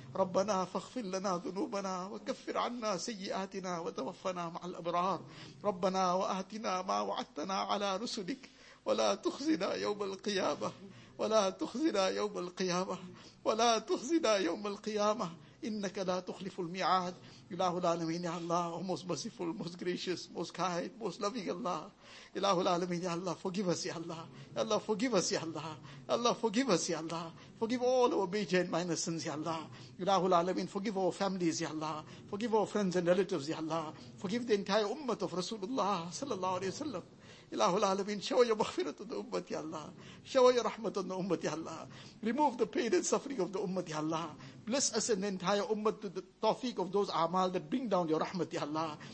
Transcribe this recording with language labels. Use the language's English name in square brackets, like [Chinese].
[Arabic] ربنا فاغفر لنا ذنوبنا وكفر عنا سيئاتنا وتوفنا مع الأبرار. ربنا وآتنا ما وعدتنا على رسلك ولا تخزنا يوم القيامة ولا تخزنا يوم القيامة ولا تخزنا يوم القيامة إنك لا تخلف الميعاد. إله العالمين يا الله, [English] oh most merciful, most gracious, most kind, most loving Allah. [Arabic] إله العالمين يا الله, [English] forgive us [Arabic] يا الله, يا الله forgive us يا الله, يا الله forgive us يا الله, [English] forgive all our major and minor sins [Arabic] يا الله. إله العالمين, [English] forgive our families يا الله, forgive our friends and relatives يا الله, forgive the entire ummah of Rasulullah [Arabic] صلى الله عليه وسلم. إله العالمين, [English] show your [Arabic] مغفرة للأمة يا الله, [English] show your [Arabic] رحمة للأمة يا الله, [English] remove the pain and suffering of the ummah يا الله. Bless us and the entire ummah to the tawfiq of those amal that bring down your rahmat, ya Allah.